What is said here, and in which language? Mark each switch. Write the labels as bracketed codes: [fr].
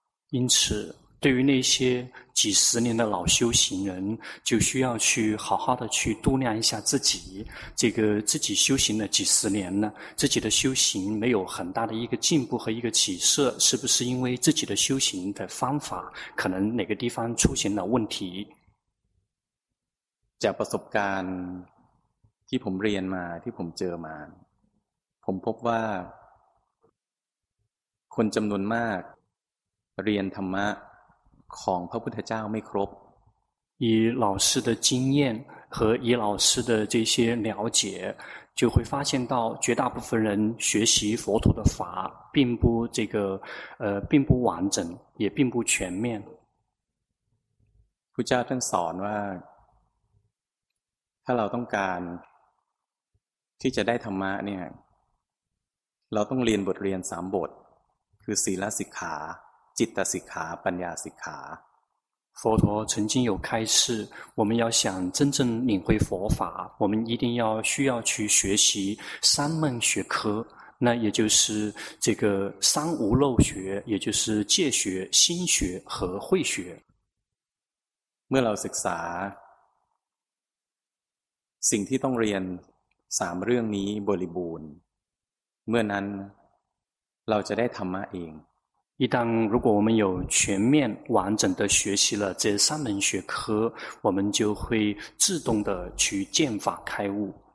[zh] 因此对于那些几十年的老修行人就需要去好好的去度量一下自己这个自己修行了几十年呢自己的修行没有很大的一个进步和一个起色是不是因为自己的修行的方法可能哪个地方出现了问题 [th] จากประสบการณ์ที่ผมเรียนมาที่ผมเจอมาผมพบว่าคนจำนวนมากเรียนธรรมะของพระพุทธเจ้าไม่ครบ [zh] 以老师的经验和以老师的这些了解就会发现到绝大部分人学习佛陀的法并不这个并不完整也并不全面 [th] พุทธเจ้าท่านสอนว่าถ้าเราต้องการที่จะได้ธรรมะเนี่ยเราต้องเรียนบทเรียน3บทคือศีลสิกขาจิตตสิกขาปัญญาสิกขา [zh] 佛陀曾经有开示我们要想真正领会佛法我们一定要需要去学习三门学科那也就是这个三无漏学也就是戒学心学和慧学 [th] เมื่อเราศึกษาสิ่งที่ต้องเรียน3เรื่องนี้บริบูรณ์เมื่อนั้นเราจะได้ธรรมะเอง [zh] 一旦如果我们有全面完整的学习了这三门学科我们就会自动的去见法开悟